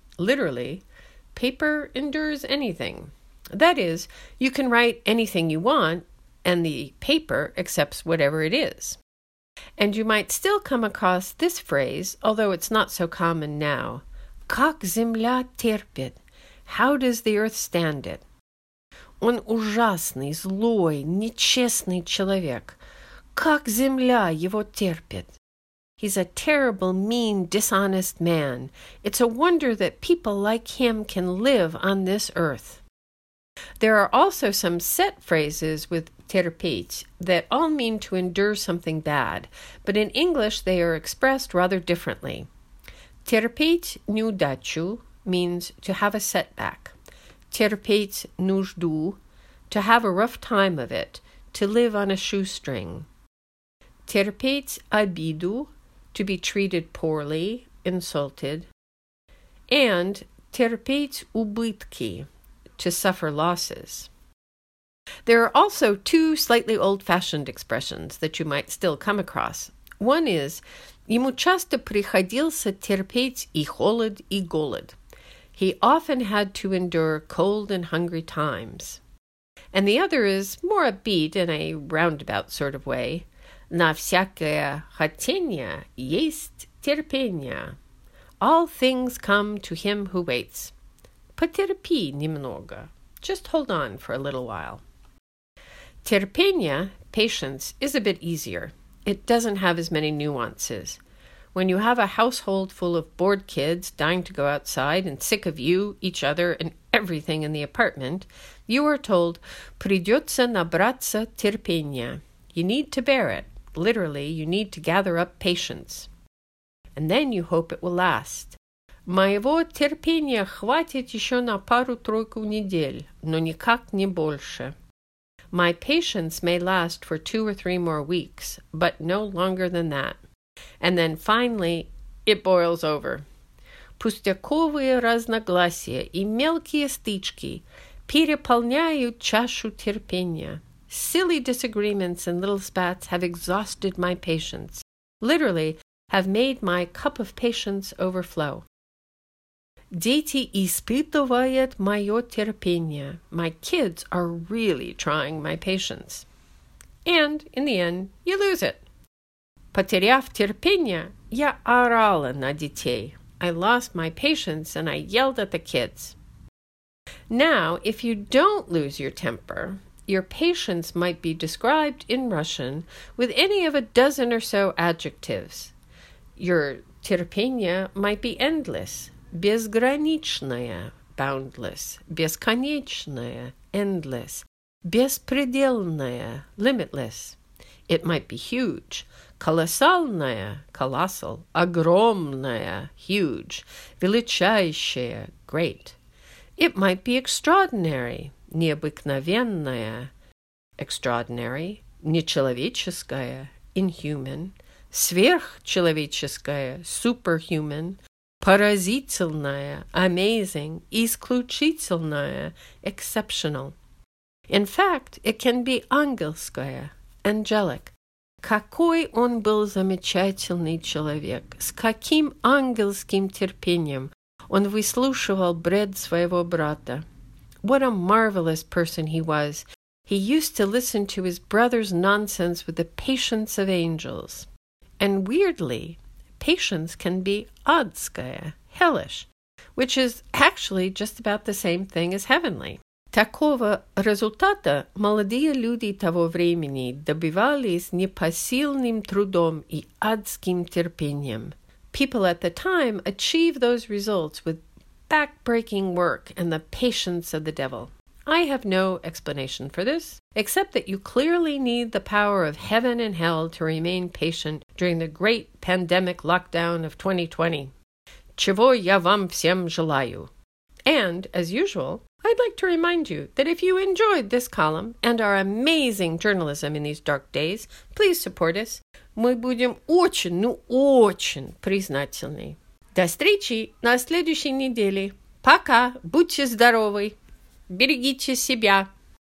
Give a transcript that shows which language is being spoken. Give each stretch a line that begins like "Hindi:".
English: Literally, paper endures anything. That is, you can write anything you want, and the paper accepts whatever it is. And you might still come across this phrase, although it's not so common now.
Russian: Как земля терпит?
English: How does the earth stand it?
Russian: Он ужасный, злой, нечестный человек. Как земля его терпит?
English: He's a terrible, mean, dishonest man. It's a wonder that people like him can live on this earth. There are also some set phrases with терпеть that all mean to endure something bad, but in English they are expressed rather differently.
Russian: Терпеть неудачу
English: means to have a setback.
Russian: Терпеть нужду,
English: to have a rough time of it, to live on a shoestring.
Russian: Терпеть обиду,
English: to be treated poorly, insulted. And
Russian: терпеть убытки,
English: to suffer losses. There are also two slightly old-fashioned expressions that you might still come across. One is,
Russian: ему часто приходилось терпеть и холод, и голод.
English: He often had to endure cold and hungry times. And the other is more upbeat in a roundabout sort of way.
Russian: На всякое хотение есть терпение.
English: All things come to him who waits.
Russian: Потерпи немного.
English: Just hold on for a little while. Терпение, patience, is a bit easier. It doesn't have as many nuances. When you have a household full of bored kids dying to go outside and sick of you, each other, and everything in the apartment, you are told,
Russian: придется набраться терпения.
English: You need to bear it. Literally, you need to gather up patience. And then you hope it will last.
Russian: Моего терпения хватит еще на пару-тройку недель, но никак не больше.
English: My patience may last for 2 or 3 more weeks, but no longer than that. And then finally, it boils over.
Russian: Пустяковые разногласия и мелкие стычки переполняют чашу терпения.
English: Silly disagreements and little spats have exhausted my patience. Literally, have made my cup of patience overflow.
Russian: Дети испытывают мое терпение.
English: My kids are really trying my patience. And in the end, you lose it.
Russian: Потеряв терпение, я орала на детей.
English: I lost my patience and I yelled at the kids. Now, if you don't lose your temper, your patience might be described in Russian with any of a dozen or so adjectives. Your терпение might be endless, безграничное, boundless, бесконечное, endless, беспредельное, limitless. It might be huge. Колоссальная, colossal, огромная, huge, величайшая, great. It might be extraordinary, необыкновенная, extraordinary, нечеловеческая, inhuman, сверхчеловеческая, superhuman, поразительная, amazing, исключительная, exceptional. In fact, it can be ангельская, angelic.
Russian: Какой он был замечательный человек, с каким ангельским терпением он выслушивал бред своего брата.
English: What a marvelous person he was. He used to listen to his brother's nonsense with the patience of angels. And weirdly, patience can be адская, hellish, which is actually just about the same thing as heavenly.
Russian: Такого результата молодые люди того времени добивались непосильным трудом и адским терпением.
English: People at the time achieved those results with back-breaking work and the patience of the devil. I have no explanation for this, except that you clearly need the power of heaven and hell to remain patient during the great pandemic lockdown of 2020.
Russian: Чего я вам всем желаю?
English: And, as usual, I'd like to remind you that if you enjoyed this column and our amazing journalism in these dark days, please support us.
Russian: Мы будем очень, ну очень признательны. До встречи на следующей неделе. Пока. Будьте здоровы. Берегите себя.